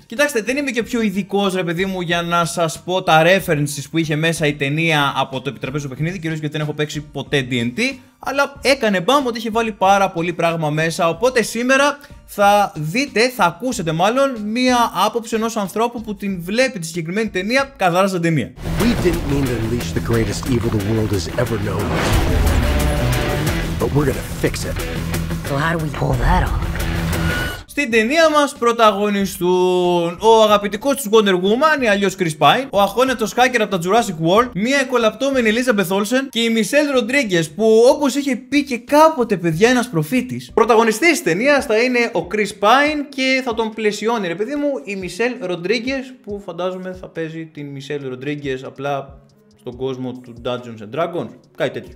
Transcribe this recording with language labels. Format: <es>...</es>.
<el>Κοιτάξτε, δεν είμαι και πιο ειδικός, ρε παιδί μου, για να σας πω τα references που είχε μέσα η ταινία από το επιτραπέζιο παιχνίδι, κυρίως γιατί δεν έχω παίξει ποτέ DnD. Αλλά έκανε μπαμ ότι είχε βάλει πάρα πολύ πράγμα μέσα. Οπότε σήμερα θα δείτε, θα ακούσετε μάλλον, μία άποψη ενός ανθρώπου που την βλέπει τη συγκεκριμένη ταινία καθαρά σαν ταινία.</el> <en>We didn't mean to unleash the greatest evil the world has ever known. But we're gonna fix it. So how do we pull that off?</en> <el>Στην ταινία μας πρωταγωνιστούν ο αγαπητικός της Wonder Woman, ή αλλιώς Chris Pine, ο αχώνευτος hacker από τα Jurassic World, μια εκολαπτώμενη Elizabeth Olsen και η Michelle Rodriguez, που όπως είχε πει και κάποτε, παιδιά, ένας προφήτης, πρωταγωνιστής της ταινίας θα είναι ο Chris Pine και θα τον πλαισιώνει, ρε παιδί μου, η Michelle Rodriguez, που φαντάζομαι θα παίζει την Michelle Rodriguez απλά στον κόσμο του Dungeons and Dragons, κάτι τέτοιο.</el>